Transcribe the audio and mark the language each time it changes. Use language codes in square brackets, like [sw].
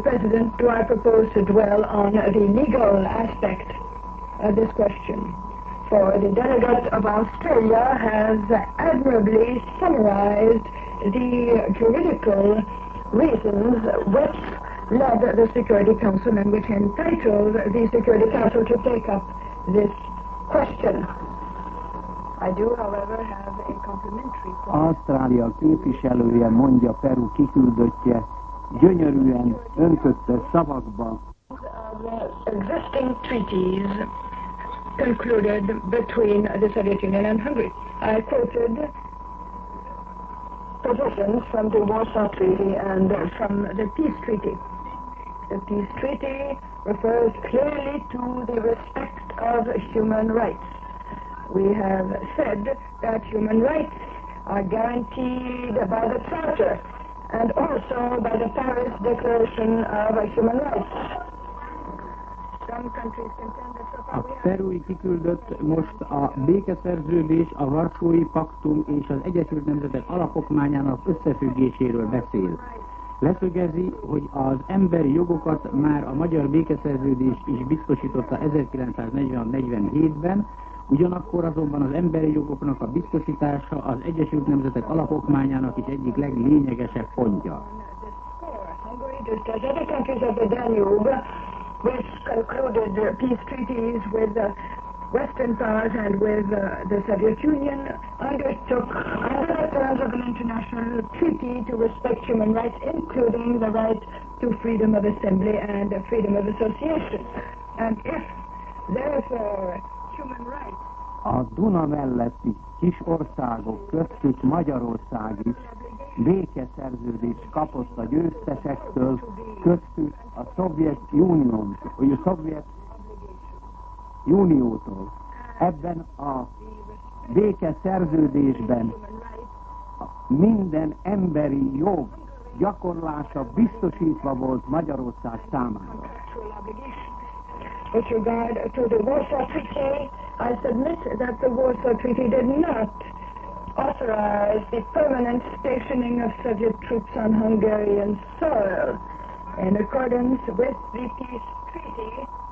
[en] President, do I propose to dwell on the legal aspect of this question, for the delegate of Australia has admirably summarized the juridical reasons which led the Security Council and which entitled the Security Council to take up this question. I do, however, have a complimentary point. [hu] Australia képviselője, mondja Peru kiküldöttje, gyönyörűen öntötte szavakba. [en] Existing treaties concluded between the Soviet Union and Hungary. I quoted provisions from the Warsaw Treaty and from the Peace Treaty. The Peace Treaty refers clearly to the respect of human rights. We have said that human rights are guaranteed by the Charter and also by the Paris Declaration of Human Rights. Some countries contend that so far we have... [hu] A perui kiküldött most a békeszerződés, a Varsói Paktum és az Egyesült Nemzetek alapokmányának összefüggéséről beszél. Leszögezi, hogy az emberi jogokat már a magyar békeszerződés is biztosította 1940-47-ben, ugyanakkor azonban az emberi jogoknak a biztosítása az Egyesült Nemzetek alapokmányának is egyik leglényegesebb pontja. [en] As other countries of the Danube, which concluded peace treaties with the Western powers and with the Soviet Union, undertook under the terms of an international treaty to respect human rights, including the right to freedom of assembly and freedom of association. And if therefore human rights. [hu] A Duna melletti kis országok köztük Magyarország is békeszerződést kapott a győztesektől, köztük a Szovjet Unión, vagy a Szovjet Uniótól. Ebben a békeszerződésben minden emberi jog gyakorlása biztosítva volt Magyarország számára. [en] With regard to the Warsaw Treaty, I submit that the Warsaw Treaty did not authorize the permanent stationing of Soviet troops on Hungarian soil in accordance with the peace treaty.